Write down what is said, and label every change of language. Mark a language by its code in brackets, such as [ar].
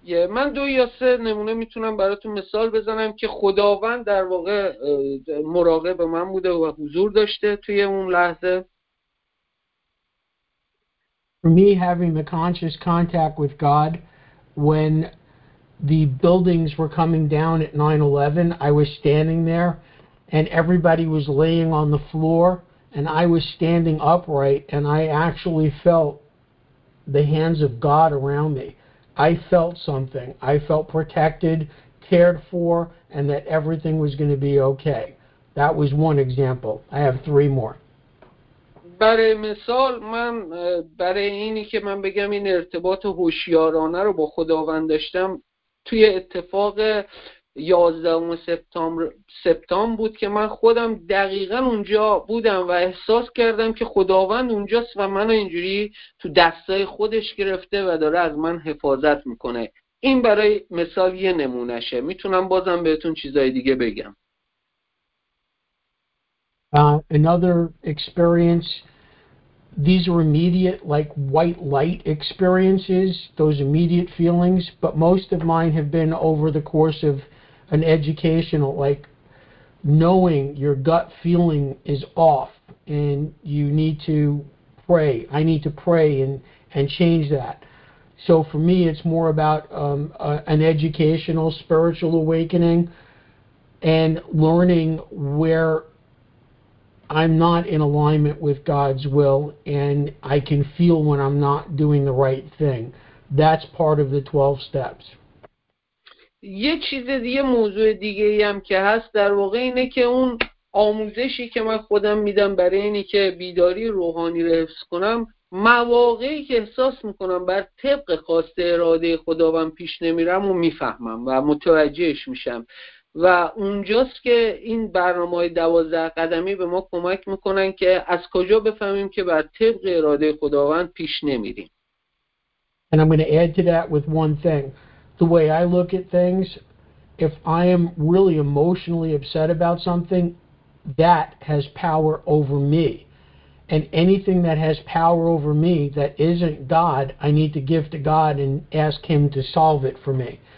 [fa] من دو یا سه نمونه میتونم براتون مثال بزنم که خداوند در واقع مراقب من بوده و حضور داشته توی اون لحظه. [en] For me, having the conscious contact with God when the buildings were coming down at 9/11, I was standing there and everybody was laying on the floor. And I was standing upright, and I actually felt the hands of God around me. I felt something. I felt protected, cared for, and that everything was going to be okay. That was one example. I have 3 more. [fa] برای مثال من برای اینی که من بگم این ارتباط هوشیارانه رو با خداوند داشتم توی اتفاق 11 سپتامبر بود که من خودم دقیقا اونجا بودم و احساس کردم که خداوند اونجاست و منو اینجوری تو دستای خودش گرفته و داره از من حفاظت میکنه. این برای مثال یه نمونه شه. میتونم بازم بهتون چیزای دیگه بگم. [en] Another experience, these are immediate like white light experiences, those immediate feelings, but most of mine have been over the course of an educational, like knowing your gut feeling is off and you need to pray. I need to pray and change that. So for me, it's more about an educational spiritual awakening and learning where I'm not in alignment with God's will and I can feel when I'm not doing the right thing. That's part of the 12 steps. [fa] یه چیز دیگه، موضوع دیگه ای هم که هست در واقع اینه که اون آموزشی که من خودم میدم برای اینی که بیداری روحانی رو حفظ کنم، مواقعی که احساس میکنم بر طبق خواسته اراده خداوند پیش نمیرم و میفهمم و متوجهش میشم و اونجاست که این برنامه های 12 قدمی به ما کمک میکنن که از کجا بفهمیم که بر طبق اراده خداوند پیش نمیریم. [en] And I'm going to add to that with one thing. The way I look at things, if I am really emotionally upset about something, that has power over me. And anything that has power over me that isn't God, I need to give to God and ask Him to solve it for me.